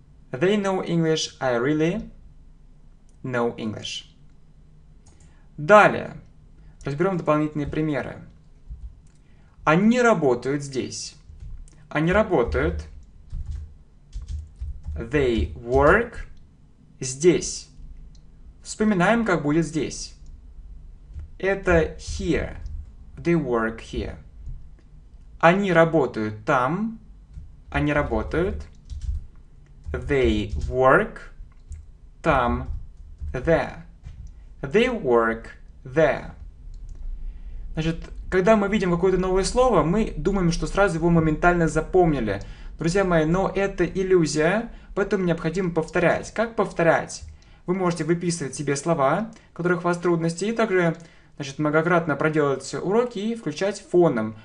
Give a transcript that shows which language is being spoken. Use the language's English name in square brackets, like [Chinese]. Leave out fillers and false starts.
[English] They know English, I really know English. [Russian] Далее разберем дополнительные примеры. Они работают здесь. Они работают. [English] They work [Russian] здесь. Вспоминаем, как будет здесь. Это here. [English] They work here. [Russian] Они работают там. Они работают. [English] They work [Russian] там. [English] There. They work there. [Russian] Значит, когда мы видим какое-то новое слово, мы думаем, что сразу его моментально запомнили. Друзья мои, но это иллюзия, поэтому необходимо повторять. Как повторять? Вы можете выписывать себе слова, в которых у вас трудности, и также, значит, многократно проделывать уроки и включать фоном.